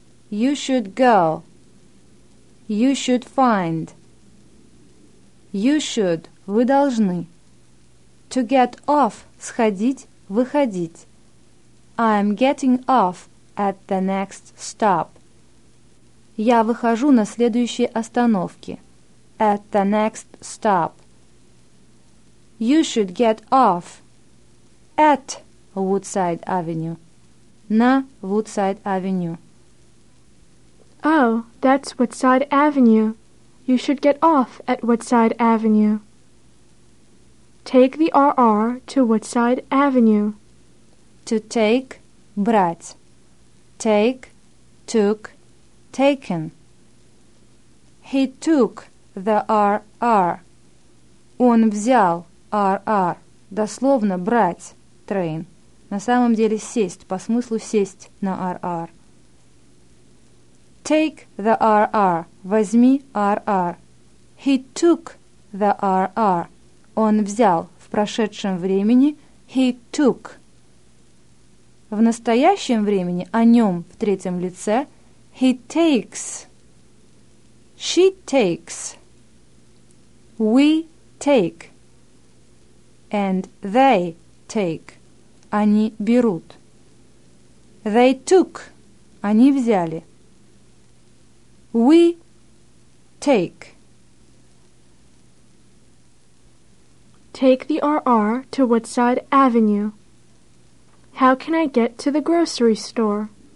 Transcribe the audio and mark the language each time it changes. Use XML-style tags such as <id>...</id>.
<en>You should go. You should find. You should,</en> <ru>вы должны.</ru> <en>To get off,</en> <ru>сходить, выходить.</ru> <en>I'm getting off at the next stop.</en> <ru>Я выхожу на следующей остановке.</ru> <en>At the next stop. You should get off at Woodside Avenue.</en> <ru>На Woodside Avenue.</ru> <en>Oh, that's Woodside Avenue. You should get off at Woodside Avenue. Take the RR to Woodside Avenue. To take,</en> <ru>брать.</ru> <en>Take, took, taken. He took the RR.</en> <ru>Он взял RR, дословно брать train, на самом деле сесть, по смыслу сесть на RR.</ru> <en>Take the RR,</en> <ru>возьми</ru> <en>RR. He took the RR,</en> <ru>он взял в прошедшем времени,</ru> <en>he took.</en> <ru>В настоящем времени о нем в третьем лице</ru> <en>he takes, she takes, we take, and they take,</en> <ru>они берут.</ru> <en>They took,</en> <ru>они взяли.</ru> <en>We take. Take the RR to Woodside Avenue. How can I get to the grocery store?</en>